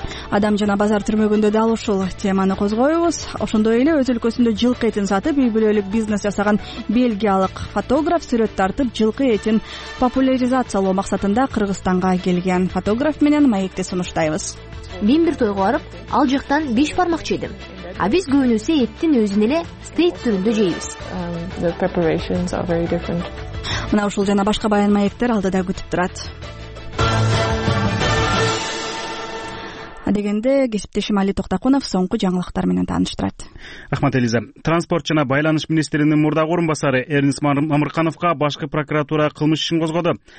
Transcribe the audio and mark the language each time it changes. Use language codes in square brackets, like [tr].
[ky] Адам жана базар түрмөгүндө дал ушул теманы козгойбуз. Ошондой эле өз өлкөсүндө жылкы этин сатып, үй бүлөлүк бизнес жасаган бельгиялык фотограф сүрөт тартып, жылкы этин популяризациялоо максатында Кыргызстанга келген фотограф менен маекте сунуштайбыз. Мен бир тойго барып, ал жактан беш бармак жедим. А биз көбүнөсө эттин өзүн эле стейк түрүндө жейбиз. [en] The preparations are very different. [ky] Мына ушул жана башка баян маектер алдыда күтүп турат. Дегенде кесиптешим Али Токтокунов соңку жаңылыктар менен тааныштырат. Рахмат Элиза. Транспорт жана байланыш министринин мурдагы орун басары Эрнис Мамыркановго башкы прокуратура кылмыш ишин козгоду.